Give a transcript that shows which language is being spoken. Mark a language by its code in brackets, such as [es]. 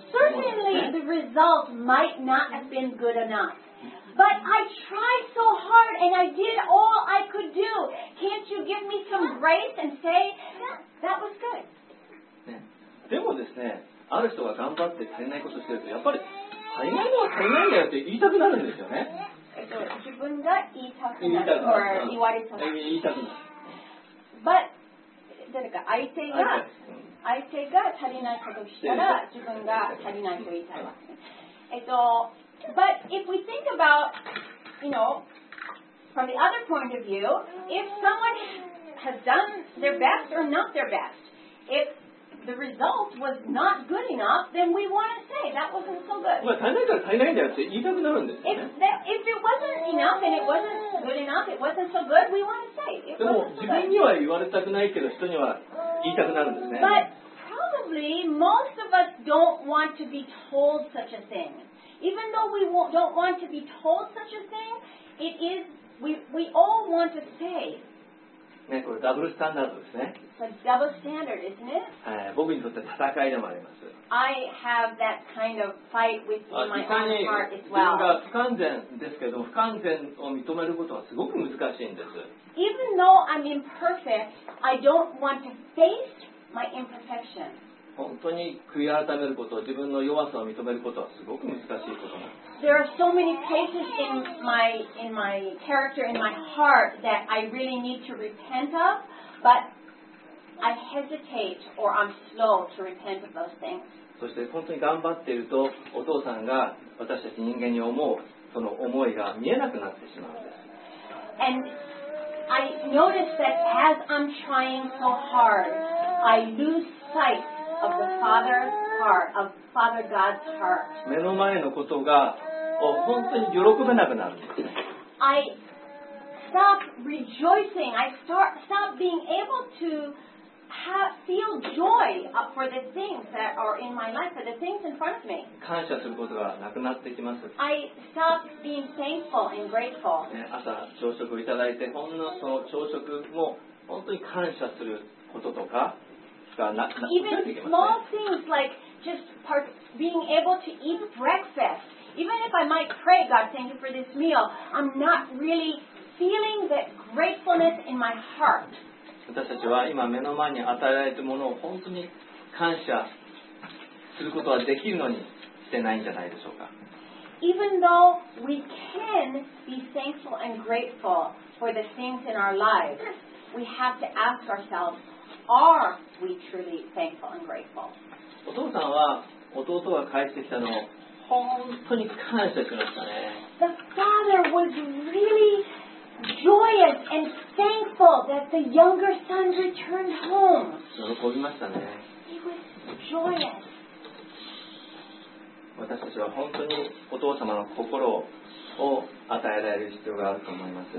[en] Certainly the result might not have been good enough, But I tried so hard and I did all I could do. Can't you give me some grace and say, yeah, that was good? [ja] でもですね、ある人が頑張って足りないことをしてると、やっぱり足りないのは足りないんだよって言いたくなるんですよね。自分が言いたくなる。言われそうな。言いたくなる。 But 誰か相手が、相手が足りないことをしたら、自分が足りないと言いたいわけ。 [en] But if we think about, you know, from the other point of view, if someone has done their best or not their best, if the result was not good enough, then we want to say that wasn't so good. [ja] まあ、足りないから足りないんだよって言いたくなるんですよね。 [en] If it wasn't enough and it wasn't good enough, it wasn't so good, we want to say it wasn't so good. [ja] でも、自分には言われたくないけど、人には言いたくなるんですね。 [en] But probably most of us don't want to be told such a thing. Even though we don't want to be told such a thing, it is, we all want to say. [ja] ね、これダブルスタンダードですね。 [en] It's a double standard, isn't it? [ja] 僕にとって戦いでもあります。 [en] I have that kind of fight with my own heart as well. [ja] 自分が不完全ですけど、不完全を認めることはすごく難しいんです。 [en] Even though I'm imperfect, I don't want to face my imperfection. [ja] 本当に悔い改めること、自分の弱さを認めることはすごく難しいことなんです。 [en] There are so many places in my character, in my heart that I really need to repent of, but I hesitate or I'm slow to repent of those things. [ja] そして本当に頑張っていると、お父さんが私たち人間に思うその思いが見えなくなってしまうんです。 [en] And I notice that as I'm trying so hard, I lose sight. Of the Father's heart, of Father God's heart. [ja] 目の前のことが本当に喜べなくなる。 [en] I stop rejoicing. I stop being able to feel joy for the things that are in my life, for the things in front of me. [ja] 感謝することがなくなってきます。 [en] I stop being thankful and grateful. [ja] 朝朝食をいただいて、ほんのその朝食も本当に感謝することとか。 [en] Even small things like just being able to eat breakfast, even if I might pray, God, thank you for this meal, I'm not really feeling that gratefulness in my heart. [ja] 私たちは今目の前に与えられているものを本当に感謝することはできるのにしてないんじゃないでしょうか。 [en] Even though we can be thankful and grateful for the things in our lives, we have to ask ourselves. Are we truly thankful and grateful? [ja] お父さんは弟が返してきたのを本当に感謝しましたね。 [en] The father was really joyous and thankful that the younger son returned home. [ja] 喜びましたね。 [en] He was joyous. [ja] 私たちは本当にお父様の心を与えられる必要があると思います。